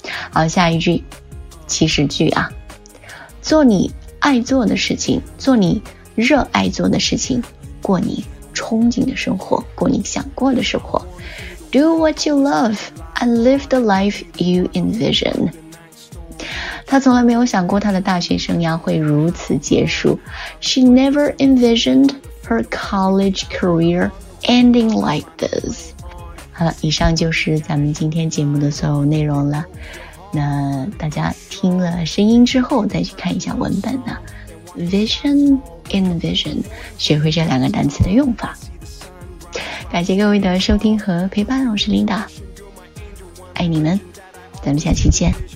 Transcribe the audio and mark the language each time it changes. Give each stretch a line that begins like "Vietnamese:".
Chinese: 好，下一句祈使句啊，做你爱做的事情，做你热爱做的事情，过你憧憬的生活，过你想过的生活。
English: Do what you love and live the life you envision。
Chinese: 他从来没有想过他的大学生涯会如此结束。
English: She never envisioned her college career ending like this。
Chinese: 好了，以上就是咱们今天节目的所有内容了。那大家听了声音之后再去看一下文本呢， Vision Envision， 学会这两个单词的用法。感谢各位的收听和陪伴，我是琳达，爱你们，咱们下期见。